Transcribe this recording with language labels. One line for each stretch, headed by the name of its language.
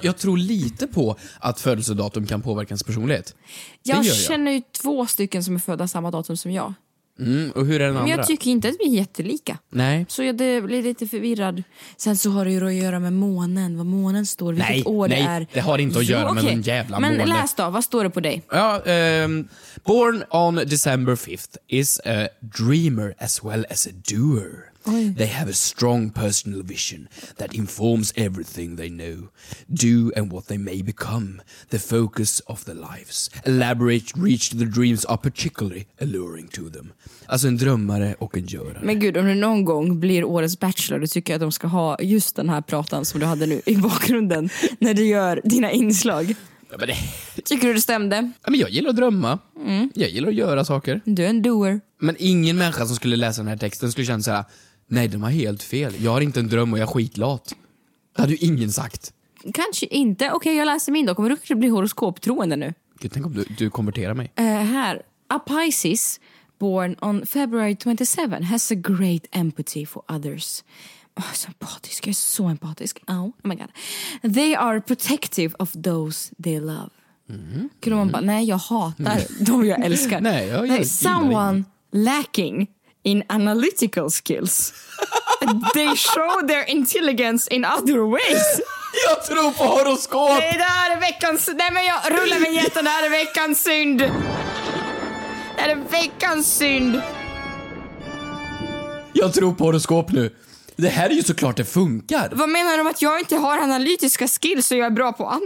Swedish: Jag tror lite på att födelsedatum kan påverka ens personlighet. Jag känner ju två stycken som är födda samma datum som jag. Mm, och hur är den andra? Men jag tycker inte att vi är jättelika. Nej. Så jag blir lite förvirrad. Sen så har det ju att göra med månen, vad månen står, vilket år det är. Det har inte att göra med någon jävla men måne. Men läs då, vad står det på dig?
English: Ja, born on December 5th is a dreamer as well as a doer.
Swedish: Oj.
English: They have a strong personal vision that informs everything they know, do and what they may become. The focus of their lives, elaborate, reach the dreams are particularly alluring to them.
Swedish: Alltså en drömmare och en görare. Men gud, om du någon gång blir årets bachelor, då tycker jag att de ska ha just den här pratan som du hade nu i bakgrunden när du gör dina inslag. Ja, men det... Tycker du det stämde? Ja, men jag gillar att drömma. Mm. Jag gillar att göra saker. Du är en doer. Men ingen människa som skulle läsa den här texten skulle känna såhär, nej, de har helt fel. Jag har inte en dröm och jag är skitlat. Det hade ju ingen sagt. Kanske inte. Okej, jag läser min då. Kommer du att bli horoskoptroende nu? Gud, tänk om du konverterar mig. Här.
English: A Pisces, born on February 27, has a great empathy for others.
Swedish: Oh, så empatisk. Jag är så empatisk.
English: Oh my god. They are protective of those they love.
Swedish: Kunde man bara, nej, jag hatar de jag älskar. Nej, jag gillar ingen.
English: Someone lacking in analytical skills. They show their intelligence in other ways.
Swedish: Jag tror på horoskop. Det här är veckans... Nej, men jag rullar med jätten. Det här är veckans synd. Det är veckans synd. Jag tror på horoskop nu. Det här är ju såklart det funkar. Vad menar du om att jag inte har analytiska skills och jag är bra på annat?